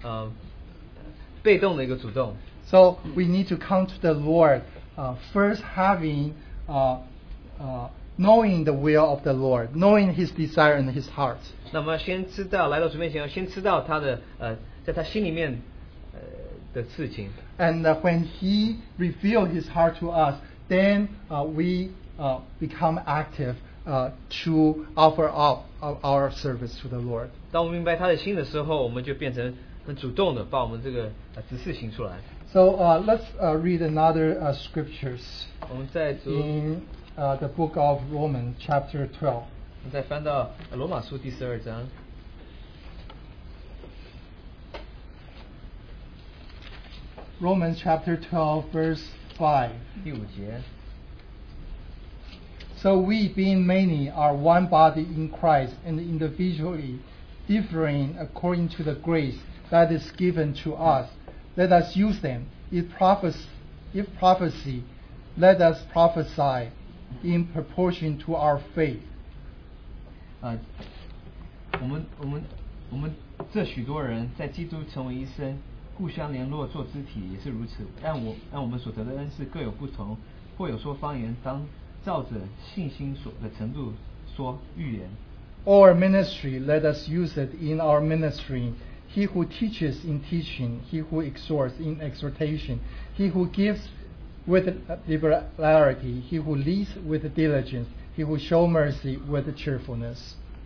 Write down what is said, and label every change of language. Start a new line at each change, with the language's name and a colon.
Chinese: 那我们的弟兄就也提到一个词是，我们的职事应当是一个被动的一个主动。
English: So we need to come to the Lord, first having knowing the will of the Lord, knowing His desire and His heart.
Chinese: 那么先知道来到主面前，要先知道他的在他心里面的事情。
English: And when He revealed His heart to us, then we become active to offer up our service to the Lord.
Chinese: 当我们明白他的心的时候，我们就变成很主动的把我们这个指示行出来。
English: So let's read another scriptures in the book of Romans, chapter 12.
Chinese: 再翻到罗马书第十二章。
English: Romans chapter 12, verse 5.
Chinese: 第五节。
English: So we, being many, are one body in Christ, and individually differing according to the grace that is given to us. Let us use them. If prophecy, let us prophesy in proportion to our faith.
Chinese: 我们这许多人在基督成为一生，互相联络做肢体也是如此。但我们所得的恩是各有不同，或有说方言，当照着信心所的程度说预言。
English: Or ministry, let us use it in our ministry. He who teaches in teaching, he who exhorts in exhortation, he who gives with liberality, he who leads with diligence, he who shows mercy with cheerfulness.